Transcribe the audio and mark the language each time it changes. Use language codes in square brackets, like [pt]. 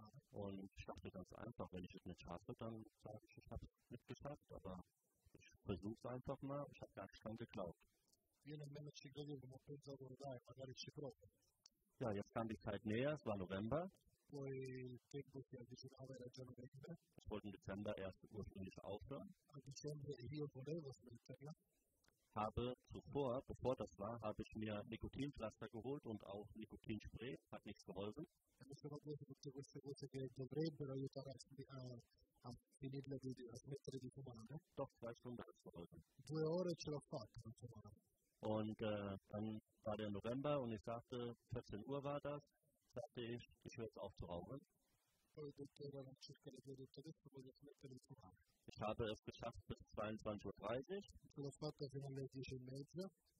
[de] Und ich dachte ganz einfach, wenn ich es nicht schaffe, dann sage ich, ich habe es nicht geschafft. Aber ich versuche es einfach mal, ich habe gar nicht dran geglaubt. [it] Io nemmeno ci credevo, ma ho pensato, dai, magari ci provo. [de] Ja, jetzt kam die Zeit näher, es war November. [it] Poi il tempo si avvicinava, era già novembre. [de] Ich wollte im Dezember erst ursprünglich aufhören. [it] A dicembre io volevo smetterla. [de] Habe zuvor, bevor das war, habe ich mir Nikotinpflaster geholt und auch Nikotinspray, hat nichts geholfen. [it] E mi sono preso tutte queste cose che dovrebbero aiutare a finirla di a smettere di fumare. [de] Doch, zwei Stunden hat es geholfen. [it] Due ore ce l'ho fatta, non so male. [de] Und dann war der November und ich sagte, 14 Uhr war das, sagte ich, ich höre jetzt auf zu rauchen. Ich habe es geschafft bis 22.30 Uhr.